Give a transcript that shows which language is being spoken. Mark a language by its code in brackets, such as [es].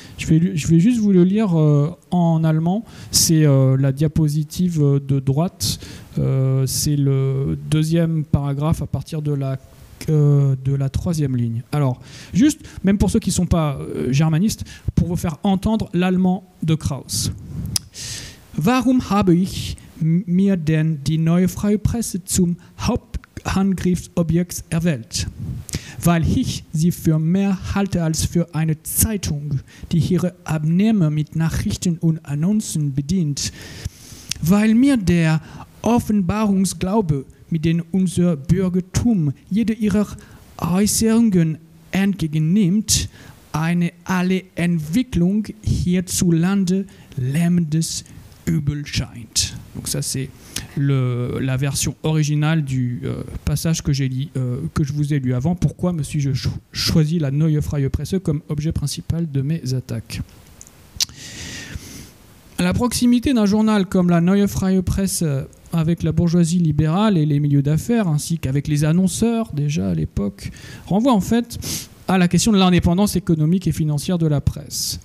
[fr] Je vais juste vous le lire en allemand. C'est la diapositive de droite. C'est le deuxième paragraphe à partir de la troisième ligne. Alors, juste, même pour ceux qui ne sont pas germanistes, pour vous faire entendre l'allemand de Krauss. [de] Warum habe ich mir denn die Neue Freie Presse zum Hauptangriffsobjekt erwählt? Weil ich sie für mehr halte als für eine Zeitung, die ihre Abnehmer mit Nachrichten und Annoncen bedient. Weil mir der Offenbarungsglaube, mit denen unser Bürgertum jede ihrer Äußerungen entgegennimmt, eine alle Entwicklung hierzulande lähmendes Übel scheint. [fr] Donc ça, c'est la version originale du passage que je vous ai lu avant. Pourquoi me suis-je choisi la Neue Freie Presse comme objet principal de mes attaques ? À la proximité d'un journal comme la Neue Freie Presse avec la bourgeoisie libérale et les milieux d'affaires, ainsi qu'avec les annonceurs, déjà à l'époque, renvoie en fait à la question de l'indépendance économique et financière de la presse.